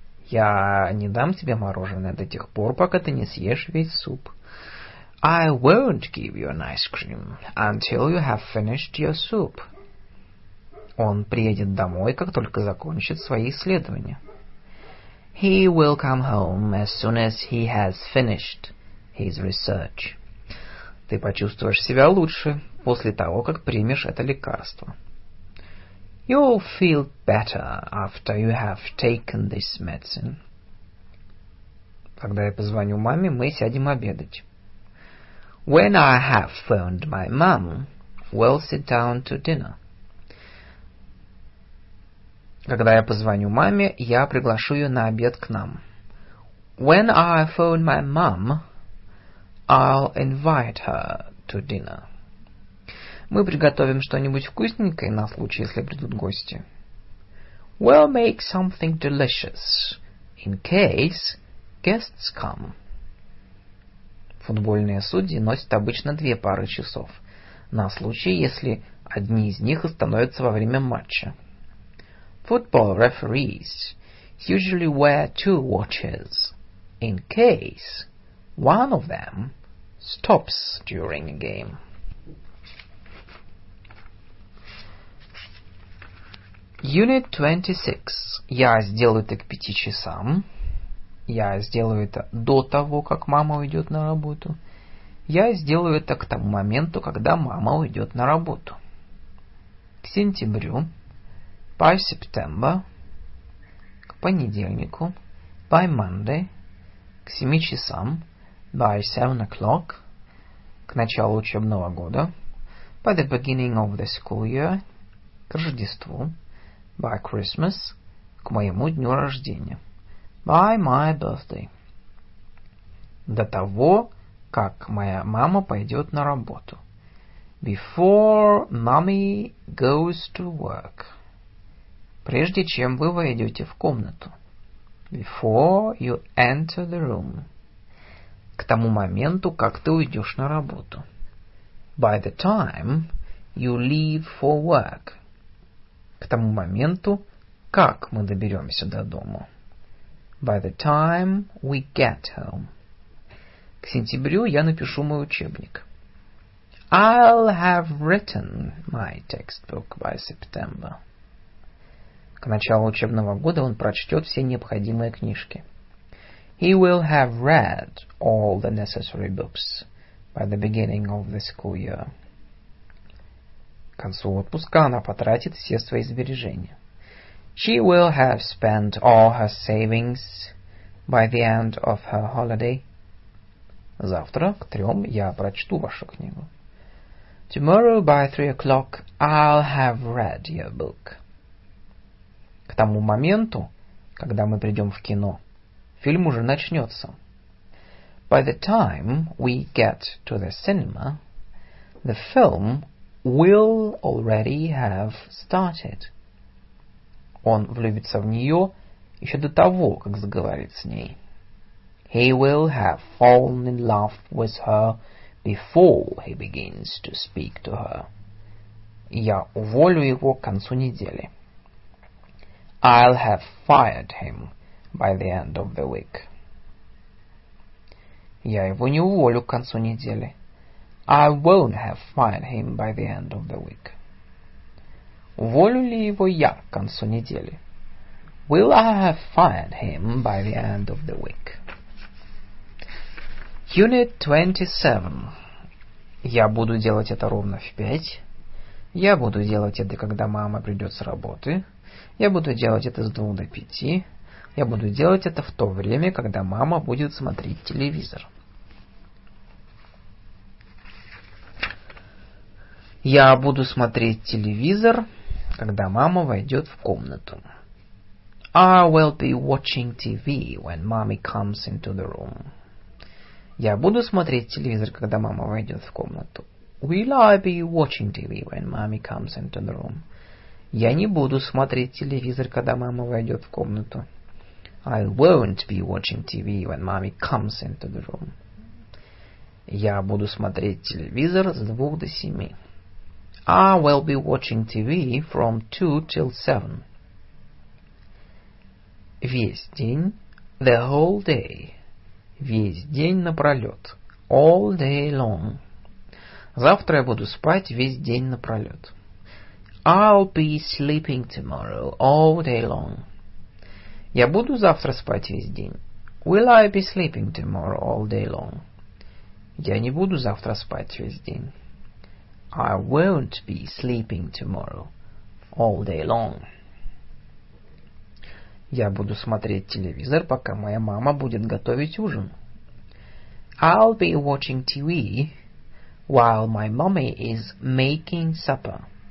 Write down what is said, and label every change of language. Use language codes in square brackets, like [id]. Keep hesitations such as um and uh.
[ru] Я не дам тебе мороженое до тех пор, пока ты не съешь весь суп. [en] I won't give you an ice cream until you have finished your soup. [ru] Он приедет домой, как только закончит свои исследования. [en] He will come home as soon as he has finished his research. [ru] Ты почувствуешь себя лучше после того, как примешь это лекарство. [en] You'll feel better after you have taken this medicine. [ru] Когда я позвоню маме, мы сядем обедать. [en] When I have phoned my mum, we'll sit down to dinner. [ru] Когда я позвоню маме, я приглашу ее на обед к нам. [en] When I phone my mum, I'll invite her to dinner. [ru] Мы приготовим что-нибудь вкусненькое на случай, если придут гости. [en] We'll make something delicious in case guests come. [ru] Футбольные судьи носят обычно две пары часов, на случай, если одни из них остановятся во время матча. [en] Football referees usually wear two watches in case one of them stops during a game. Unit 26. [ru] Я сделаю это к пяти часам. Я сделаю это до того, как мама уйдет на работу. Я сделаю это к тому моменту, когда мама уйдет на работу. К сентябрю. [en] By September. [ru] К понедельнику. [en] By Monday. [ru] К семи часам. [en] By seven o'clock. [ru] К началу учебного года. [en] By the beginning of the school year. К Рождеству by Christmas, к моему дню рождения, by my birthday. [ru] До того, как моя мама пойдет на работу. [en] Before mommy goes to work. [ru] Прежде чем вы войдете в комнату. [en] Before you enter the room. [ru] К тому моменту, как ты уйдешь на работу. [en] By the time you leave for work [ru] к тому моменту, как мы доберемся до дому. [en] By the time we get home. [ru] К сентябрю я напишу мой учебник. [en] I'll have written my textbook by September. [ru] К началу учебного года он прочтет все необходимые книжки. [en] He will have read all the necessary books by the beginning of the school year. [ru] К концу отпуска она потратит все свои сбережения. [en] She will have spent all her savings by the end of her holiday. [ru] Завтра к трем я прочту вашу книгу. [en] Tomorrow by three o'clock I'll have read your book. [ru] К тому моменту, когда мы придем в кино, фильм уже начнется. [en] By the time we get to the cinema, the film will already have started. [ru] Он влюбится в нее еще до того, как заговорит с ней. [en] He will have fallen in love with her before he begins to speak to her. [ru] Я уволю его к концу недели. [en] I'll have fired him by the end of the week. [ru] Я его не уволю к концу недели. [en] I won't have fired him by the end of the week. [ru] Уволю ли его я к концу недели? [en] Will I have fired him by the end of the week? Unit 27. [ru] Я буду делать это ровно в пять. Я буду делать это, когда мама придет с работы. Я буду делать это с двух до пяти. Я буду делать это в то время, когда мама будет смотреть телевизор. Я буду смотреть телевизор, когда мама войдет в комнату. [en] I will be watching TV when mommy comes into the room. [ru] Я буду смотреть телевизор, когда мама войдет в комнату. [en] Will I be watching TV when mommy comes into the room? [ru] Я не буду смотреть телевизор, когда мама войдет в комнату. [en] I won't be watching TV when mommy comes into the room. [ru] Я буду смотреть телевизор с двух до семи. [en] I will be watching TV from two till seven. [ru] Весь день. [en] The whole day. [ru] Весь день напролет. [en] All day long. [ru] Завтра я буду спать весь день напролет. [en] I'll be sleeping tomorrow all day long. [ru] Я буду завтра спать весь день. [en] Will I be sleeping tomorrow all day long? [ru] Я не буду завтра спать весь день. [en] I won't be sleeping tomorrow all day long. [ru] Я буду смотреть телевизор, пока моя мама будет готовить ужин. [en] I'll be watching TV while my mommy is making supper.